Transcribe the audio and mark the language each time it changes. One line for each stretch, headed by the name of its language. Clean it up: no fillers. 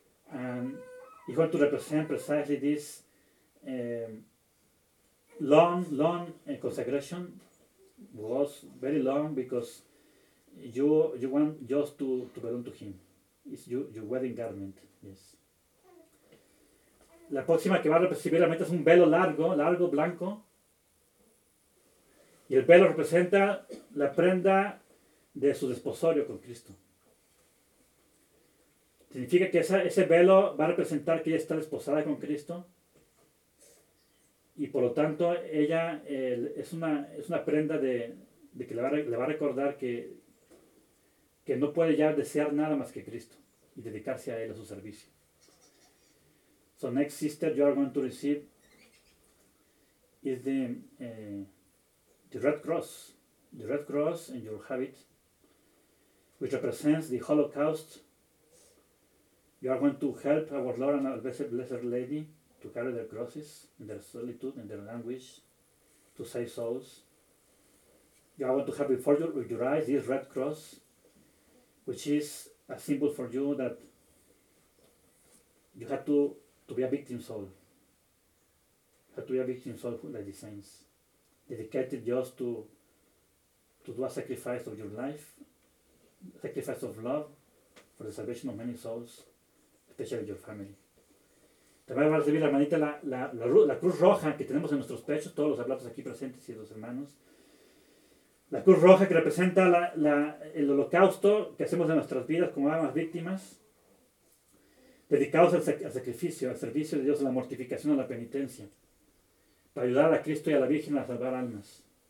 English: And he's going to represent precisely this long consecration was very long because you want just to belong to him. It's your wedding garment. Yes.
Spanish: La próxima que va a recibir la meta es un velo largo blanco, y el velo representa la prenda de su desposorio con Cristo. Significa que ese velo va a representar que ella está desposada con Cristo. Y por lo tanto, ella es una prenda de que le va a recordar que no puede ya desear nada más que Cristo y dedicarse a él, a su servicio.
English: So next sister you are going to receive is the red cross. The red cross in your habit, which represents the Holocaust. You are going to help our Lord and our Blessed Lady to carry their crosses, in their solitude, in their language, to save souls. You are going to have before your eyes this red cross, which is a symbol for you that you have to be a victim soul. You have to be a victim soul like the saints, dedicated just to do a sacrifice of your life, a sacrifice of love for the salvation of many souls, especially your family.
Spanish: También va a recibir la hermanita la cruz roja que tenemos en nuestros pechos, todos los hablados aquí presentes y los hermanos. La cruz roja que representa el holocausto que hacemos en nuestras vidas como almas víctimas, dedicados al sacrificio, al servicio de Dios, a la mortificación, a la penitencia, para ayudar a Cristo y a la Virgen a salvar almas.